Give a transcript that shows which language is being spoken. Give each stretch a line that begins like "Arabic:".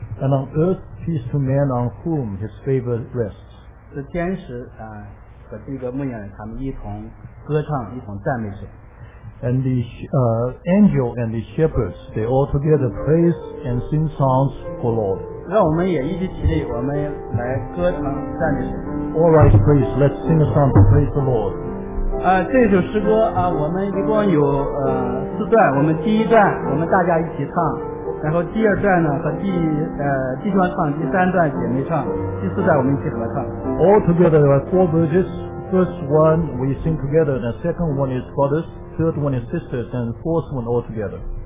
English: And on earth peace to man on whom his favor rests.
Chinese: 是天使和这个牧羊人他们一同歌唱，一同赞美神。
English: And the angel and the shepherds, they all together praise and sing songs for Lord.
Chinese: 让我们也一起起立，我们来歌唱赞美神。
English: All right, please, let's sing a song to praise the Lord.
Chinese: 这首诗歌我们一共有四段，我们第一段我们大家一起唱，然后第二段呢和弟兄唱，第三段姐妹唱，第四段我们一起合唱。All
English: together there are four verses. First one we sing together, and the second one is brothers, third one is sisters, and fourth one all together.